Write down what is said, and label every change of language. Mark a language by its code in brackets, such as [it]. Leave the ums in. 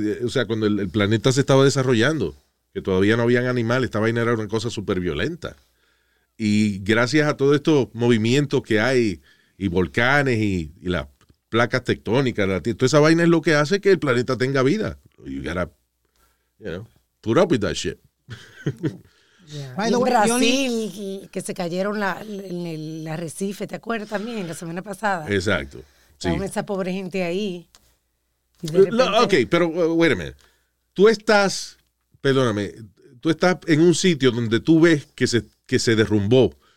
[es] O sea, cuando el, el planeta se estaba desarrollando, que todavía no habían animales, esta vaina era una cosa súper violenta. Y gracias a todos estos movimientos que hay y volcanes y, y la, placas tectónicas, la toda esa vaina es lo que hace que el planeta tenga vida. [en] You gotta, you know, put up with that shit. Yeah. [es] y en Brasil, y que se cayeron la, en el arrecife, ¿te acuerdas también? La semana pasada. Exacto. Sí. Con esa pobre gente ahí. Repente... No, ok, pero, uh, [en] wait a [es] Tú estás, perdóname, tú estás en un sitio donde tú ves que se, que se derrumbó.